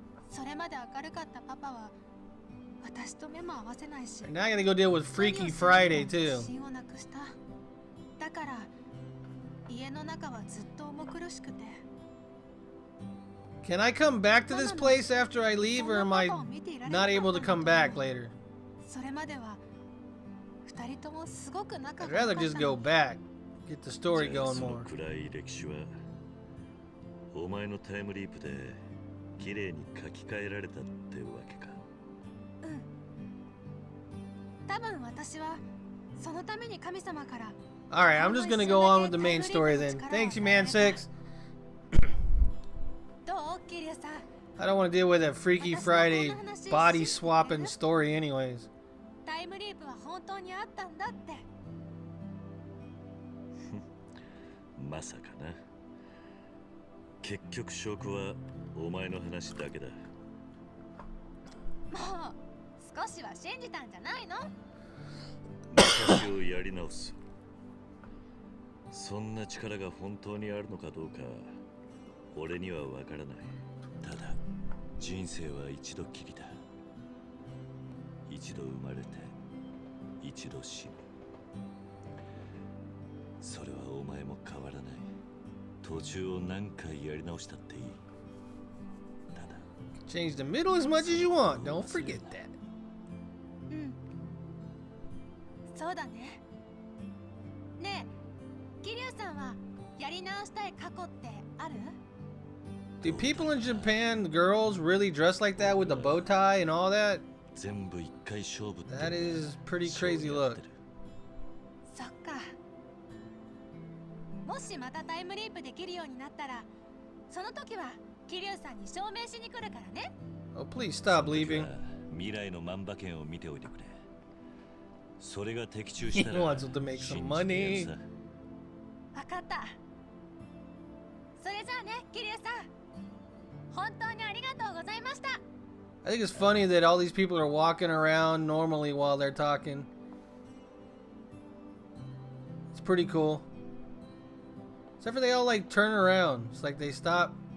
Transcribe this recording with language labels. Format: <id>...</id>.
<ja>それまで明るかったパパは私と目も合わせないし。</ja> <en>Now I gotta go deal with Freaky Friday too.</en> <ja>親をなくした。だから家の中はずっと重苦しくて。</ja> <en>Can I come back to this place after I leave, or am I not able to come back later?</en> <ja>それまでは。</ja> <en>I'd rather just go back, get the story going more.</en> <ja>そのくらい歴史はお前のタイムリープで綺麗に書き換えられたってわけか。うん。多分私はそのために神様から。</ja> <en>All right, I'm just gonna go on with the main story then. Thanks, you man six.</en> <ja>どう、キリュウさん。</ja> <en>I don't want to deal with that Freaky Friday body swapping story, anyways.</en> <ja>タイムリープは本当にあったんだってまさかな結局証拠はお前の話だけだもう少しは信じたんじゃないの私をやり直すそんな力が本当にあるのかどうか俺にはわからないただ人生は一度きりだ一度生まれて一度死ぬそれはお前も変わらない途中を何回やり直したっていいただ</ja> <en>Change the middle as much as you want Don't forget that</en> <ja>うんそうだねねえキリュウさんはやり直したい過去ってある</ja> <en>Do people in Japan, girls, really dress like that with the bow tie and all that? That is pretty crazy look.</en> <ja>そっか。もしまたタイムリープできるようになったら、その時はキリュウさんに証明しに来るからね。</ja> <en>Oh, please stop leaving.</en> <ja>未来の万馬券を見ておいてくれ。それが的中したら、信じてやるさ。わかった。それじゃあね、キリュウさん。本当にありがとうございました。</ja> <en>I think it's funny that all these people are walking around normally while they're talking. It's pretty cool. Except for they all like turn around. It's like they stop.</en>